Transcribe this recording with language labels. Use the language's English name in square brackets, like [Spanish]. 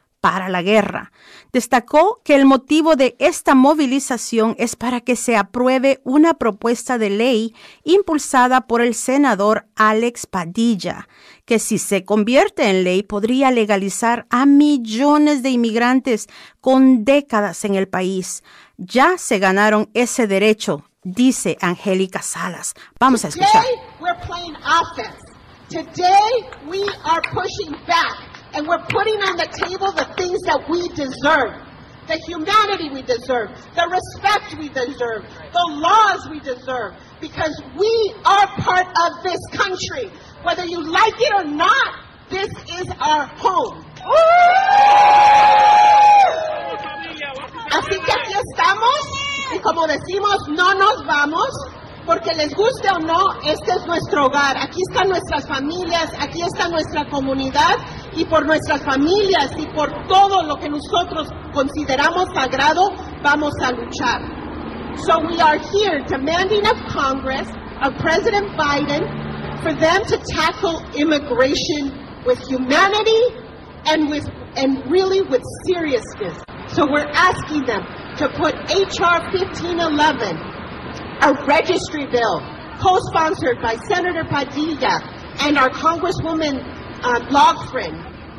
[Spanish] para la guerra, destacó que el motivo de esta movilización es para que se apruebe una propuesta de ley impulsada por el senador Alex Padilla, que si se convierte en ley podría legalizar a millones de inmigrantes con décadas en el país. Ya se ganaron ese derecho, dice Angélica Salas. Vamos a escuchar. [English] Today we're playing offense. Today we are pushing back and we're putting on the table the things that we deserve. The humanity we deserve, the respect we deserve, the laws we deserve, because we are part of this country. Whether you like it or not, this is our home. [Spanish] Así que aquí estamos, y como decimos, no nos vamos, porque les guste o no, este es nuestro hogar. Aquí están nuestras familias, aquí está nuestra comunidad, y por nuestras familias y por todo lo que nosotros consideramos sagrado, vamos a luchar. [English] So we are here demanding of Congress, of President Biden, for them to tackle immigration with humanity and really with seriousness. So we're asking them to put H.R. 1511, a registry bill, co-sponsored by Senator Padilla and our Congresswoman Log Friend.